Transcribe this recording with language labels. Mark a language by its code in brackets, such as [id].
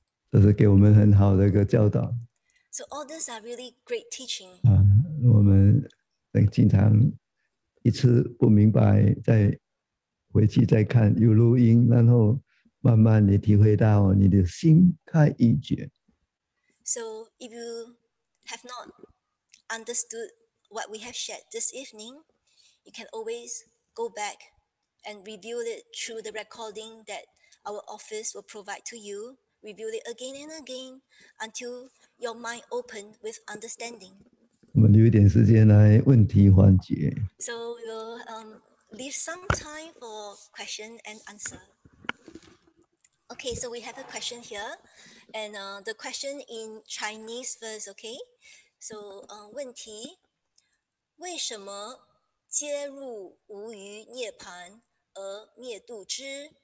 [zh] 这是给我们很好的一个教导。 [en] So all these are really great teaching. [zh] 我们经常一次不明白，再回去再看有录音，然后。慢慢地体会到你的心开意觉。 [en] So if you have not understood what we have shared this evening, you can always go back and review it through the recording that our office will provide to you. Review it again and again until your mind open with understanding. [zh] 我们留一点时间来问题环节。 [en] So we will leave some time for question and answer. Okay, so we have a question here, and the question in Chinese verse, okay? [zh] So, 问题，为什么皆入无余涅槃而灭度之？